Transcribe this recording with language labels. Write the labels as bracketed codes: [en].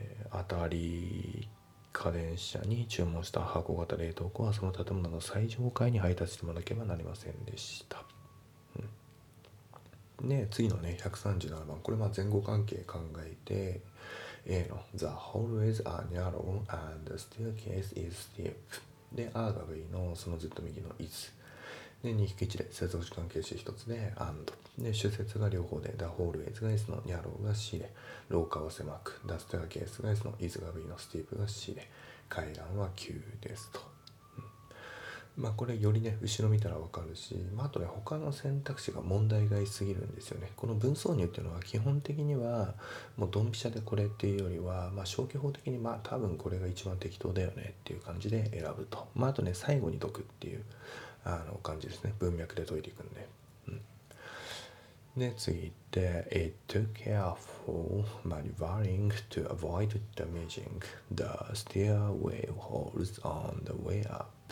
[ja] 当たり家電車に注文した箱型冷凍庫は、その建物の最上階に配達してもらわなければなりませんでした。うん、で、次のね、137番。これ、まあ、前後関係考えて、 [en] You know, the hallways are narrow and the staircase is steep. [ja] で、アーが V のそのずっと右の is。で、2引き1で接続詞関係詞1つで and。で、主節が両方で the hallways が is の narrow が C で、廊下は狭く、the staircase が is の is が V の steep が C で、階段は急ですと。まあこれよりね後ろ見たらわかるし、まああとね他の選択肢が問題外すぎるんですよね。この文挿入っていうのは基本的にはもうドンピシャでこれっていうよりは、まあ消去法的にまあ多分これが一番適当だよねっていう感じで選ぶと。まああとね最後に解くっていうあの感じですね。文脈で解いていくんで。で次行って [en] It took careful maneuvering to avoid damaging the stairway holes on the way up.